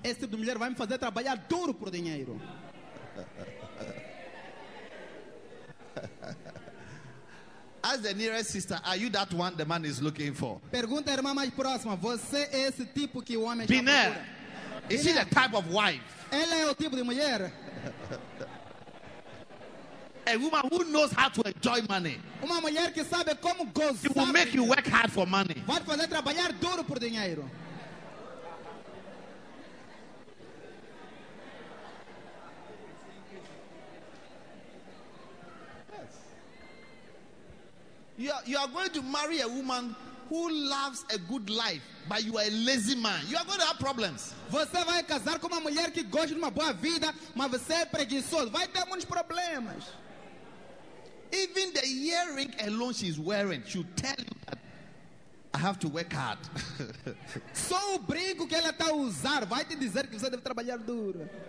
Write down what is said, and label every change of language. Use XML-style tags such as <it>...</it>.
<pt>Esse tipo de mulher vai me fazer trabalhar duro por dinheiro.</pt> <en>As the nearest sister, are you that one the man is looking for?</en> <pt>Pergunta a irmã mais próxima, você é esse tipo que o homem</pt> <en>Biné.</en> <pt>Está procurando?</pt> <en>Is she the type of wife?</en> <pt>Ela é o tipo de mulher.</pt> <en>A woman who knows how to enjoy money.</en> <pt>Uma mulher que sabe como gozar.</pt> <en>It will make you work hard for money.</en> <pt>Vai fazer trabalhar duro por dinheiro.</pt> <en>You are going to marry a woman who loves a good life, but you are a lazy man. You are going to have problems.</en> <pt>Você vai casar com uma mulher que gosta de uma boa vida, mas você é preguiçoso. Vai ter muitos problemas.</pt> <en>Even the earring alone she is wearing should tell you that I have to work hard.</en> <pt>Só o brinco que ela está a usar vai te dizer que você deve trabalhar duro.</pt>